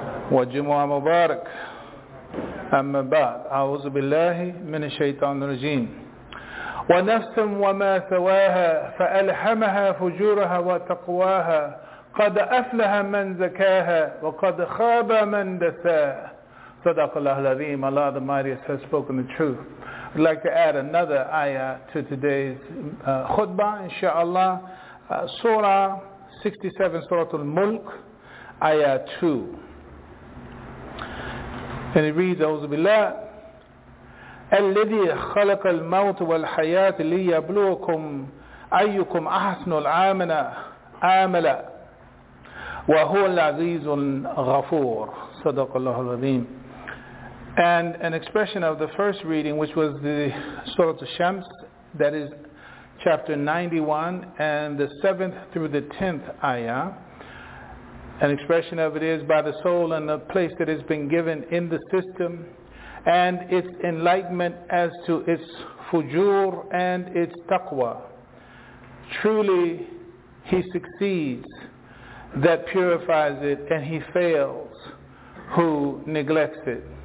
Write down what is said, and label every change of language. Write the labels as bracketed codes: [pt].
[ar] Wa jumu'ah mubarak. Amma ba'd. A'udhu billahi min ash-shaytan rajim. Wa nafsum wa ma thawaha fa'alhamaha fujuraha wa taqwaha. قد أفلح من زكاها وقد خاب من دساها. صدق الله العظيم. [en] Allah the mightiest has spoken the truth. I'd like to add another ayah to today's khutbah, inshallah. Surah 67, Surah Al-Mulk, ayah 2. And it reads, [ar] أعوذ بالله الذي خلق الموت والحياة ليبلوكم أيكم أحسن العامل عاملا وَهُوَ الْعَزِيزُ الْغَفُورُ صَدَقَ اللَّهُ الْعَظِيمُ. [en] And an expression of the first reading, which was the Surah Al-Shams, that is chapter 91 and the 7th through the 10th ayah. An expression of it is, by the soul and the place that has been given in the system and its enlightenment as to its fujur and its taqwa, truly he succeeds that purifies it, and he fails who neglects it.